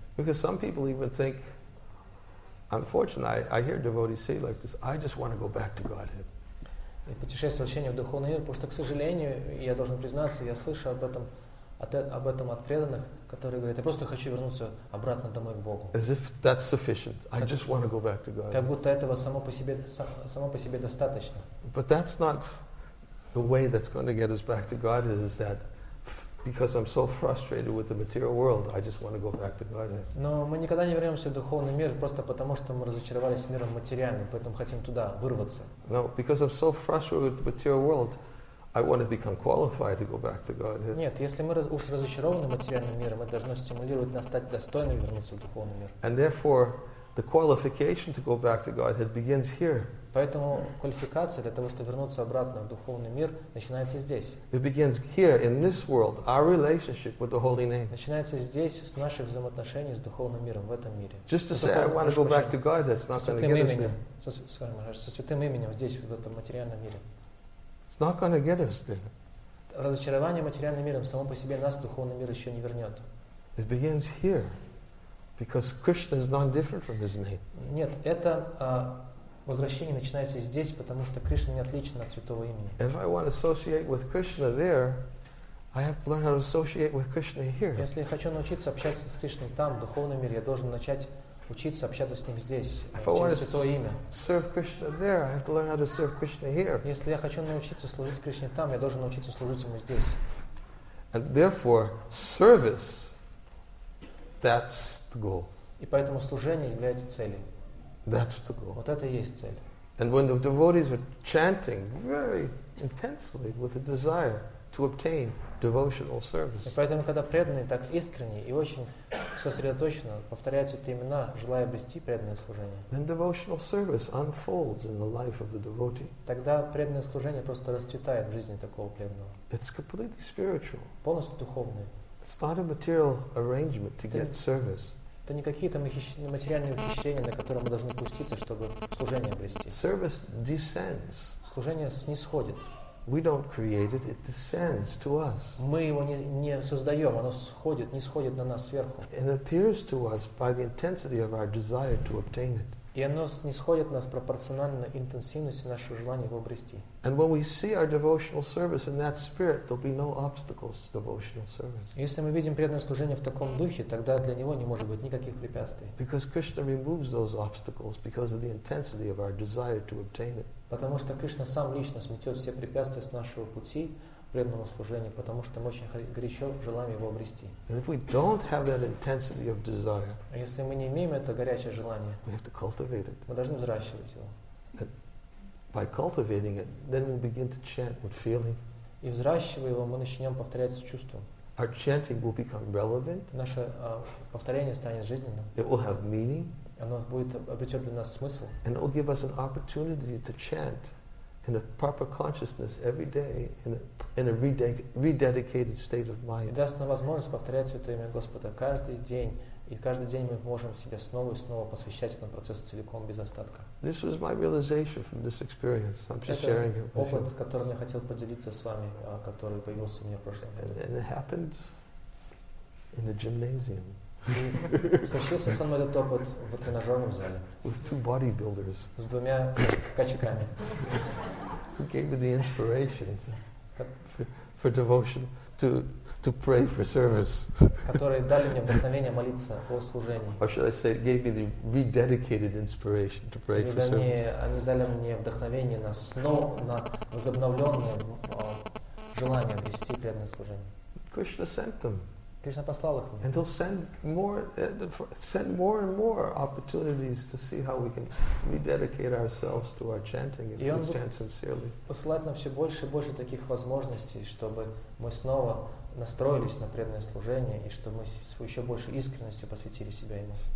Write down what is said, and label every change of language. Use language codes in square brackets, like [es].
[en] Because some people even think, unfortunately, I hear devotees say like this, I just want to go back to Godhead. [ru] И путешествие вообще в духовный мир, потому что, к сожалению, я должен признаться, я слышу об этом от преданных, которые говорят, я просто хочу вернуться обратно домой к Богу. [en] As if that's sufficient. I just want to go back to God. [ru] Как будто этого само по себе достаточно. [en] But that's not the way that's going to get us back to God is that because I'm so frustrated with the material world, I just want to go back to God. [ru] Но мы никогда не вернемся в духовный мир просто потому, что мы разочаровались миром материальным, поэтому хотим туда вырваться. [en] No, because I'm so frustrated with the material world, I want to become qualified to go back to Godhead. [ru] Нет, если мы уж разочарованы материальным миром, это должно стимулировать нас стать достойным вернуться в духовный мир. [en] And therefore, the qualification to go back to Godhead begins here. [ru] Поэтому квалификация для того, чтобы вернуться обратно в духовный мир, начинается здесь. [en] It begins here in this world, our relationship with the Holy Name. [ru] Начинается здесь с наших взаимоотношений с духовным миром в этом мире. [en] Just to say I want to go back to God, that's not going to get us there. [ru] Со святым именем здесь в этом материальном мире. [en] It's not going to get us there. [ru] Разочарование материальным миром само по себе нас в духовный мир еще не вернет. [en] It begins here, because Krishna is non-different from His name. [ru] Нет, это возвращение начинается здесь, потому что Кришна не отличен от святого имени. [en] If I want to associate with Krishna there, I have to learn how to associate with Krishna here. [ru] Если я хочу научиться общаться с Кришной там, в духовном мире, я должен начать учиться общаться с ним здесь, [en] if [ru] через святое имя. [en] Serve Krishna there, I have to learn how to serve Krishna here. [ru] Если я хочу научиться служить Кришне там, я должен научиться служить ему здесь. [en] And therefore, service, that's the goal. [ru] И поэтому служение является целью. [en] That's the goal. [ru] Вот это и есть цель. [en] And when the devotees are chanting very intensely with a desire to obtain devotional service. [ru] И поэтому, когда преданные так искренне и очень сосредоточенно повторяют святые имена, желая обрести преданное служение, [en] then devotional service unfolds in the life of the devotee. [ru] Тогда преданное служение просто расцветает в жизни такого преданного. [en] It's completely spiritual. [ru] Полностью духовное. [en] It's not a material arrangement to get service. [ru] Это не какие-то материальные ухищрения, на которые мы должны пуститься, чтобы служение обрести. [en] Service descends. [ru] Служение снисходит. [en] We don't create it; it descends to us. [ru] Мы его не создаем, оно сходит, не сходит на нас сверху. [en] And it appears to us by the intensity of our desire to obtain it. [ru] И оно не сходит нас пропорционально интенсивности нашего желания его обрести. [en] And when we see our devotional service in that spirit, there'll be no obstacles to devotional service. [ru] Если мы видим преданное служение в таком духе, тогда для него не может быть никаких препятствий. [en] Because Krishna removes those obstacles because of the intensity of our desire to obtain it. [ru] Потому что Кришна сам лично сметет все препятствия с нашего пути преданного служения, потому что мы очень горячо желаем его обрести. [en] And if we don't have that intensity of desire, [ru] а если мы не имеем это горячее желание, [en] we have to cultivate it. [ru] Мы должны взращивать его. [en] And by cultivating it, then we'll begin to chant with feeling. [ru] И взращивая его, мы начнем повторять с чувством. [en] Our chanting will become relevant. [ru] Наше повторение станет жизненным. [en] It will have meaning. [ru] Оно будет обретет для нас смысл. [en] And it will give us an opportunity to chant in a proper consciousness every day in a rededicated state of mind. [ru] И даст нам возможность повторять святое имя Господа каждый день, и каждый день мы можем себе снова и снова посвящать этому процессу целиком без остатка. [en] This was my realization from this experience. I'm just sharing it with you. [ru] Опыт, которым я хотел поделиться с вами, который появился у меня в прошлом году. [en] And it happened in a gymnasium. [ru] Случился со мной этот опыт в тренажерном зале. [en] With two bodybuilders. [ru] С двумя качаками. [en] Who gave me the inspiration for devotion to pray for service? [ru] Которые дали мне вдохновение молиться о служении. [en] Or should I say, gave me the rededicated inspiration to pray for service? [ru] Они дали мне вдохновение на снова на возобновленное желание вести преданное служение. [en] Krishna sent them. [ru] Krishna послал их мне. [en] And he'll send more and more opportunities to see how we can rededicate ourselves to our chanting if we chant sincerely. [ru] Посылает нам все больше и больше таких возможностей, чтобы мы снова настроились на преданное служение и чтобы мы с еще большей искренностью посвятили себя ему.